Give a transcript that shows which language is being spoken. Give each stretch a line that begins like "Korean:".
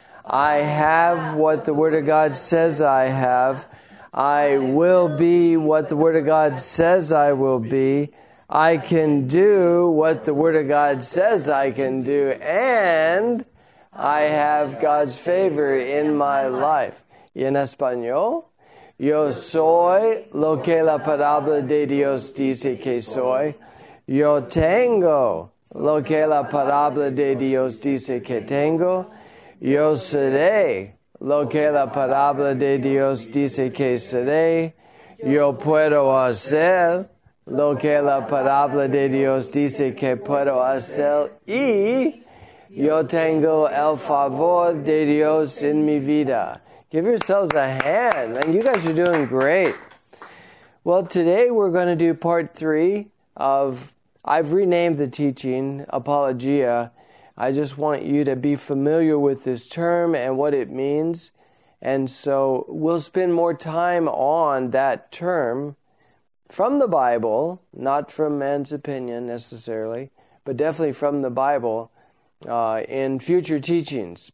English: I have what the Word of God says I have. I will be what the Word of God says I will be. I can do what the Word of God says I can do, and I have God's favor in my life.
Spanish: Y en español, yo soy lo que la palabra de Dios dice que soy. Yo tengo lo que la palabra de Dios dice que tengo. Yo seré lo que la palabra de Dios dice que seré. Yo puedo hacer lo que la palabra de Dios dice que puedo hacer, y yo tengo el favor de Dios en mi vida.
English: Give yourselves a hand. Man, you guys are doing great. Well, today we're going to do part three of, I've renamed the teaching, Apologia. I just want you to be familiar with this term and what it means. And so we'll spend more time on that term from the Bible, not from man's opinion necessarily, but definitely from the Bible in future teachings.